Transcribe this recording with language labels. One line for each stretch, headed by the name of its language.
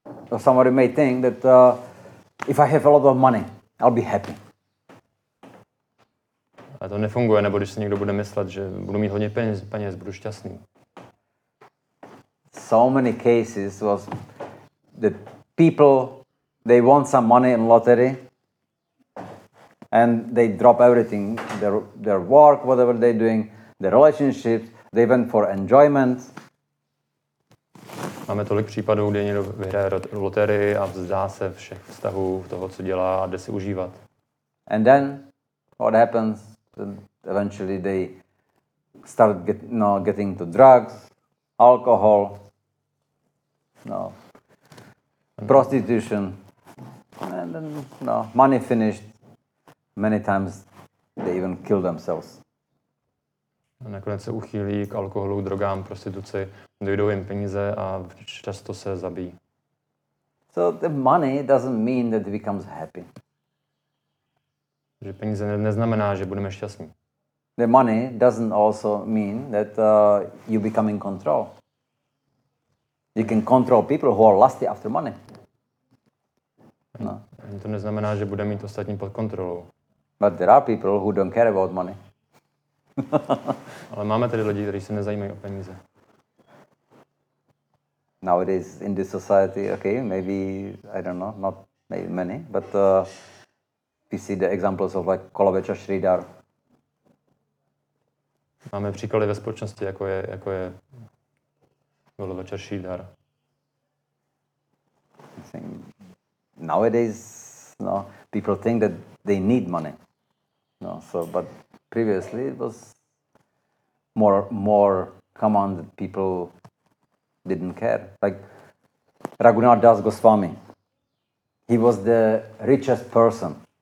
English: Or somebody may think that if I have a lot of money, I'll be happy.
Czech: A to nefunguje, nebo když si někdo bude myslet, že budu mít hodně peněz, budu šťastný.
English: So many cases was that people, they want some money in lottery and they drop everything, their work, whatever they're doing, their relationship, they went for enjoyment.
Czech: Máme tolik případů, kdy někdo vyhraje loterii a vzdá se všech vztahů toho, co dělá a jde si užívat.
English: And then what happens? Eventually they start getting to drugs, alcohol, prostitution, and then money finished. Many times they even kill themselves.
Czech: A nakonec se uchýlí k alkoholu, drogám, prostituci, dojdou jim peníze a často se zabijí.
English: So the money doesn't mean that he becomes happy.
Czech: Že peníze neznamená, že budeme šťastní.
English: The money doesn't also mean that you become in control. You can control people who are lusty after money.
Czech: Ani to neznamená, že budeme mít ostatní pod kontrolou.
English: But there are people who don't care about money.
Czech: Ale máme tady lidi, kteří se nezajímají o peníze.
English: Nowadays in this society, okay, maybe, I don't know, not maybe many, but we see the examples of like Kolobeča Šrýdar.
Czech: Máme příklady ve společnosti, jako je Kolobeča Šrýdar.
English: I think nowadays, people think that they need money. But previously it was more common that people didn't care. Like Raghunath Das Goswami, he was the richest person.